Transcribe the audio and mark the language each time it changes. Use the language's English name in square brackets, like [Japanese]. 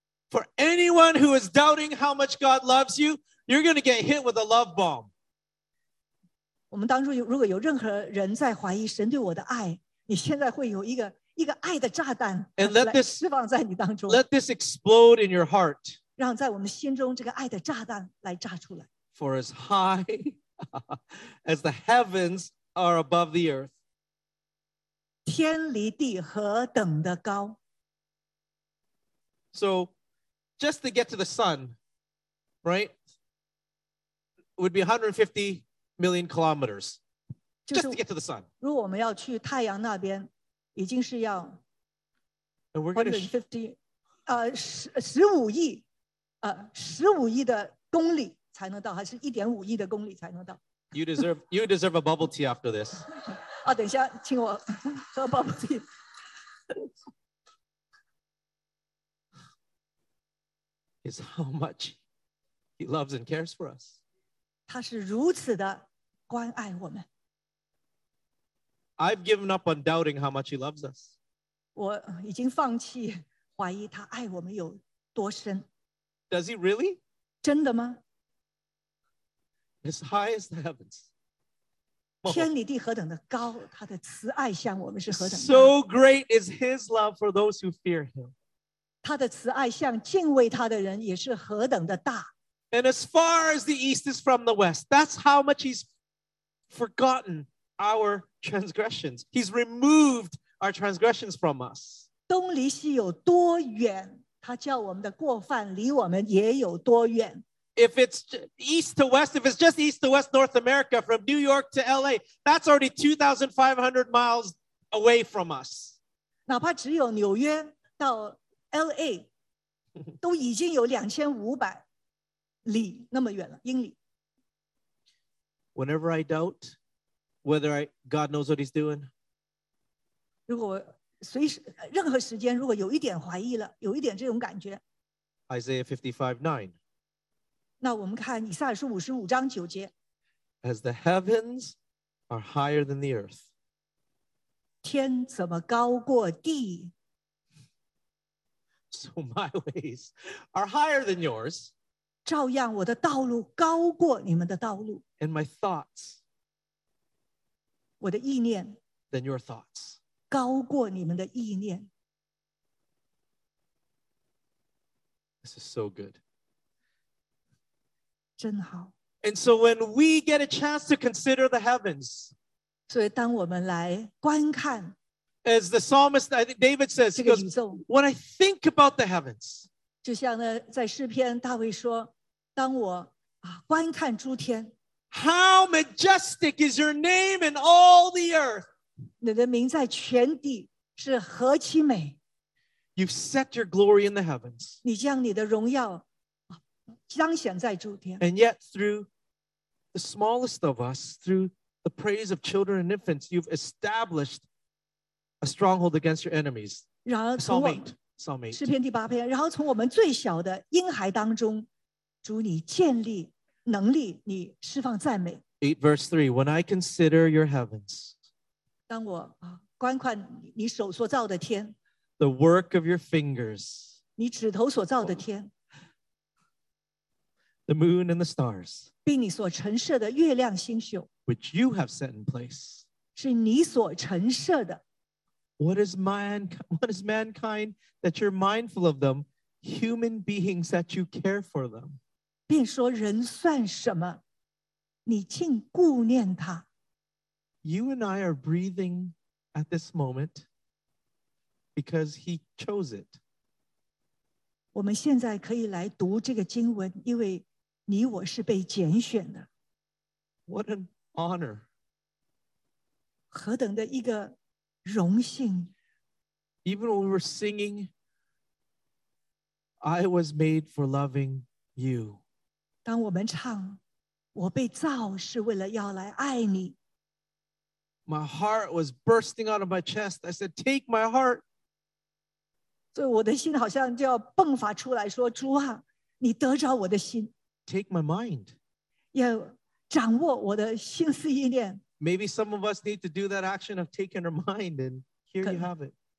[English] For anyone who is doubting how much God loves you, you're going to get hit with a love bomb. [Chinese] 我们当中如果有任何人在怀疑神对我的爱，你现在会有一个爱的炸弹来释放在你当中。 [English] Let this explode in your heart. [Chinese] 让在我们心中这个爱的炸弹来炸出来。 [English] For as high as the heavens are above the earth. [Chinese] 天离地何等的高。 [English] So, just to get to the sun, right? Would be 150 million kilometers. Just to get to the sun. [Chinese] 如果我们要去太阳那边，已经是要15亿的公里才能到，还是1.5亿的公里才能到。 [English] You deserve a bubble tea after this. [Chinese] 啊，等一下，请我喝 bubble tea. [English] Is how much he loves and cares for us. [Chinese] 他是如此的关爱我们。 [English] I've given up on doubting how much he loves us. [Chinese] 我已经放弃怀疑他爱我们有多深。 [English] Does he really? [Chinese] 真的吗？ [English] As high as the heavens. [Chinese] 天离地何等的高，他的慈爱向我们是何等的。 [English] So great is his love for those who fear him. [Chinese] 他的慈爱向敬畏他的人也是何等的大。 [English] And as far as the east is from the west, that's how much he's forgotten our transgressions. He's removed our transgressions from us. [Chinese] 东离西有多远，他叫我们的过犯离我们也有多远。 [English] If it's east to west, if it's just east to west North America, from New York to LA, that's already 2,500 miles away from us. [Chinese] 哪怕只有纽约到 LA, 都已经有2500里那么远了，英里。 [English] Whenever I doubt,whether God knows what he's doing. [Chinese] 如果随时任何时间如果有一点怀疑了，有一点这种感觉。 [English] Isaiah 55:9. [Chinese] 那我们看以赛亚书55:9. [English] As the heavens are higher than the earth. [Chinese] 天怎么高过地。 [English] So my ways are higher than yours. [Chinese] 照样我的道路高过你们的道路。 [English] And my thoughts. [Chinese] 我的意念 [English] than your thoughts. [Chinese] 高过你们的意念。 [English] This is so good. [Chinese] 真好。 [English] And so when we get a chance to consider the heavens, [Chinese] 所以当我们来观看 [English] as the psalmist, I think David says, he goes, when I think about the heavens, [Chinese] 就像呢在诗篇大卫说，当我观看诸天， [English] How majestic is your name in all the earth. [Chinese] 你的名在全地是何其美。 [English] You've set your glory in the heavens. [Chinese] 你将你的荣耀彰显在诸天。 [English] And yet through the smallest of us, through the praise of children and infants, you've established a stronghold against your enemies. Psalm 8. [Chinese] 诗篇第八篇，然后从我们最小的婴孩当中，主你建立能力，你释放赞美。 [English] 8:3. When I consider your heavens, [Chinese] 当我观看你手所造的天 [English] ，the work of your fingers, [Chinese] 你指头所造的天, [English] the moon and the stars, [Chinese] 并你所陈设的月亮星宿, [English] which you have set in place, [Chinese] 是你所陈设的, [English] what is mankind that you're mindful of them, human beings that you care for them? [Chinese] 并说人算什么, 你竟顾念他, [English] you and I are breathing at this moment because he chose it. [Chinese] 我们现在可以来读这个经文, 因为你我是被拣选的。 [English] What an honor. [Chinese] 何等的一个荣幸。 [English] Even when we were singing, I was made for loving you. [Chinese] 当我们唱, 我被造是为了要来爱你。 [English] My heart was bursting out of my chest. I said, take my heart. [Chinese] 对我的心好像就要迸发出来说,主啊,你得着我的心。 [English] Take my mind. [Chinese] 要掌握我的心思意念。 [English] Maybe some of us need to do that action of taking our mind, and here you have it.